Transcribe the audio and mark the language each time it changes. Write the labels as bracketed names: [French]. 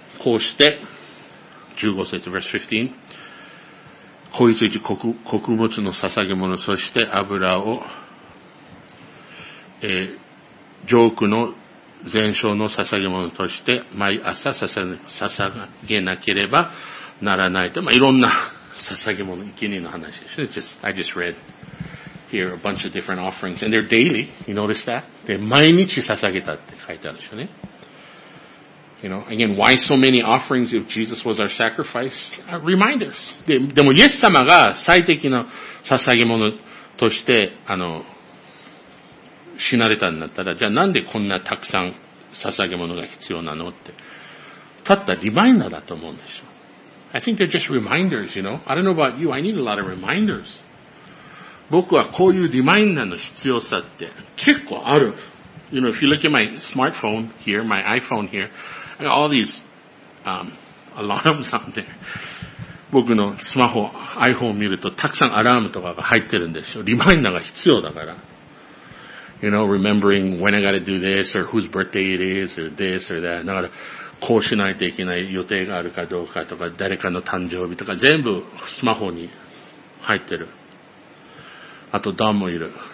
[Japanese] こうして、15節 verse 15、子羊穀物の捧げ物、そして油を、上空の全焼の捧げ物として毎朝捧げなければならないと、まあ、いろんな捧げ物、生贄の話です。 [English] I just read here a bunch of different offerings and they're daily. You notice that? [Japanese] で、毎日捧げたって書いてあるでしょうね。 [English] You know, again, why so many offerings if Jesus was our sacrifice? Reminders. [Japanese] でも、イエス様が最適の捧げ物として、死なれたんだったら、じゃあなんでこんなたくさん捧げ物が必要なのって。たったリマインダーだと思うんでしょ。 [English] I think they're just reminders, you know. I don't know about you, I need a lot of reminders. [Japanese] 僕はこういうリマインダーの必要さって結構ある。 [English] You know, if you look at my smartphone here, my iPhone here, I got all these, alarms on there. [Japanese] 僕のスマホ、iPhone を見るとたくさんアラームとかが入ってるんでしょ。リマインダーが必要だから。 [English] You know, remembering when I gotta do this, or whose birthday it is, or this, or that. [Japanese] だから、こうしないといけない予定があるかどうかとか、誰かの誕生日とか、全部スマホに入ってる。あと、ダンもいる。